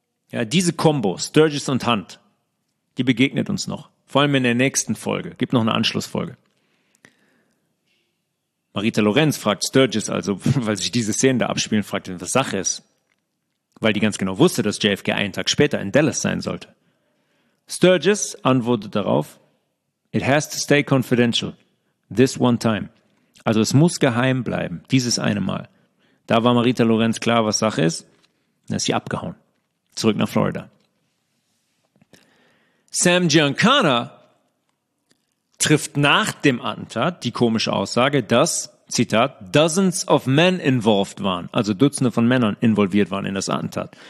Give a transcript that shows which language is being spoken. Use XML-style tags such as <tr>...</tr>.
<de>Ja, diese Kombo, Sturgis und Hunt, die begegnet uns noch. Vor allem in der nächsten Folge. Gibt noch eine Anschlussfolge. Marita Lorenz fragt Sturgis also, weil sich diese Szenen da abspielen, fragt ihn, was Sache ist. Weil die ganz genau wusste, dass JFK einen Tag später in Dallas sein sollte. Sturgis antwortet darauf, it has to stay confidential, this one time. Also es muss geheim bleiben, dieses eine Mal. Da war Marita Lorenz klar, was Sache ist. Dann ist sie abgehauen, zurück nach Florida. Sam Giancana trifft nach dem Attentat die komische Aussage, dass, Zitat,</de> <en>dozens of men involved</en> <de>waren, also Dutzende von Männern involviert waren in das Attentat.</de>